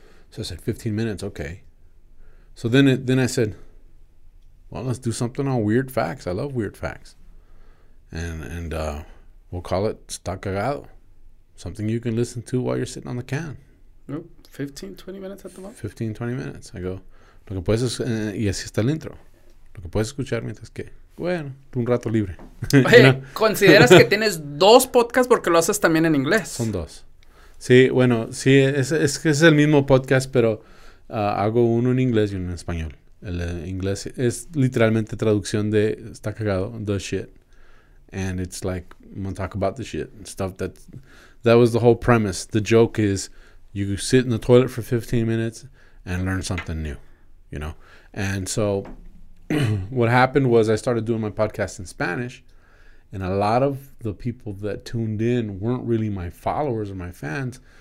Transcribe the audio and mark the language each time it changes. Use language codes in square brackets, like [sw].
[en] So I said, 15 minutes, okay. So then I said, well, let's do something on weird facts. I love weird facts. And we'll call it Está Cagado. Something you can listen to while you're sitting on the can. Nope, 15, 20 minutes at the moment? 15, 20 minutes. I go, [es] lo que puedes, y así está el intro. Lo que puedes escuchar mientras que. Bueno, un rato libre. Oye, ? ¿Consideras que tienes dos podcasts porque lo haces también en inglés? Son dos. Sí, bueno, sí, es que es el mismo podcast, pero hago uno en inglés y uno en español. El inglés es literalmente traducción de, está cagado, [en] the shit. And it's like, I'm gonna talk about the shit and stuff. That was the whole premise. The joke is, you sit in the toilet for 15 minutes and learn something new, you know? And so what happened was I started doing my podcast in Spanish, and a lot of the people that tuned in weren't really my followers or my fans.